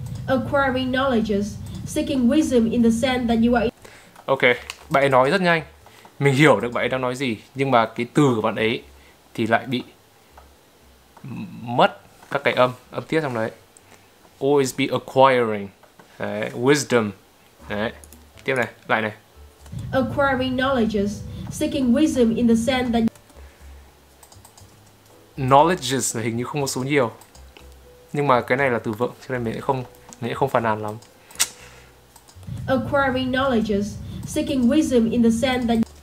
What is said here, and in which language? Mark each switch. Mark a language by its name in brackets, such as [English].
[English] Acquiring knowledge, seeking wisdom in the sense that you are. [Vietnamese] Ok, bạn ấy nói rất nhanh. Mình hiểu được bạn ấy đang nói gì. Nhưng mà cái từ của bạn ấy thì lại bị mất các cái âm tiết trong đấy. [English] Always be acquiring. [Vietnamese] Đấy, wisdom. Đấy. Tiếp này, lại này. [English] Acquiring knowledge, seeking wisdom in the sense that [Vietnamese] knowledge là hình như không có số nhiều. Nhưng mà cái này là từ vựng cho nên mình không phàn nàn lắm. [English] Acquiring knowledge, seeking wisdom in the sense that